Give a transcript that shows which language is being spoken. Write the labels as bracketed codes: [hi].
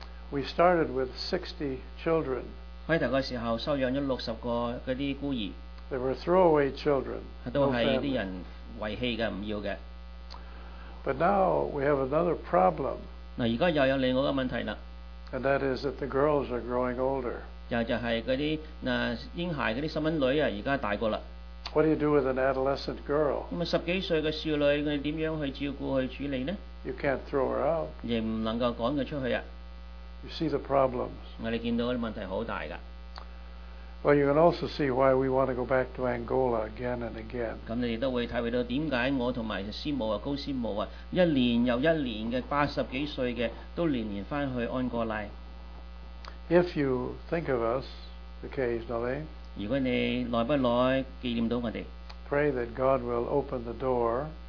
[en] We started with 60 children. [yue] 開頭嘅時候收養咗60個嗰啲孤兒。 [en] They were throwaway children. [yue] 都係啲人遺棄嘅，唔要嘅。 [en] But now we have another problem. [yue] 嗱，而家又有另外一個問題啦。 [en] And that is that the girls are growing older. [yue] 就係嗰啲嬰孩嗰啲細蚊女啊，而家大個啦。 [en] What do you do with an adolescent girl？ [yue] 咁啊，十幾歲嘅少女，佢點樣去照顧去處理呢 [en] ？You can't throw her out。 [yue] 亦唔能夠趕佢出去啊。 [en] You see the problems。 [yue] 我哋見到啲問題好大噶。 [en] Well, you can also see why we want to go back to Angola again and again。 [yue] 咁你亦都會體會到點解我同埋師母啊、高師母啊，一年又一年嘅八十幾歲嘅，都年年翻去安哥拉。 [en] If you think of us occasionally, [yue] 如果你耐不耐紀念到我哋 [en] ，pray that God will open the door.